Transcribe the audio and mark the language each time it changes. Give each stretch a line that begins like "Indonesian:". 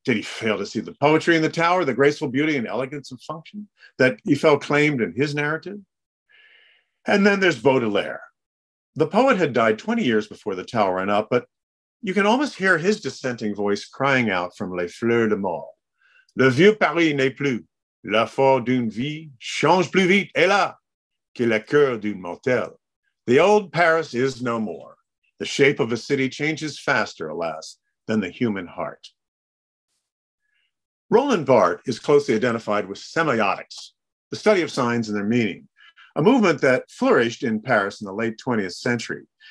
English: Did he fail to see the poetry in the tower, the graceful beauty and elegance of function that Eiffel claimed in his narrative? And then there's Baudelaire. The poet had died 20 years before the tower went up, but you can almost hear his dissenting voice crying out from Les Fleurs de Mal.
French: Le vieux Paris n'est plus. La force d'une vie change plus vite, hélas, que le cœur d'une mortelle.
English: The old Paris is no more. The shape of a city changes faster, alas, than the human heart. Roland Barthes is closely identified with semiotics, the study of signs and their meaning, a movement that flourished in Paris in the late 20th century.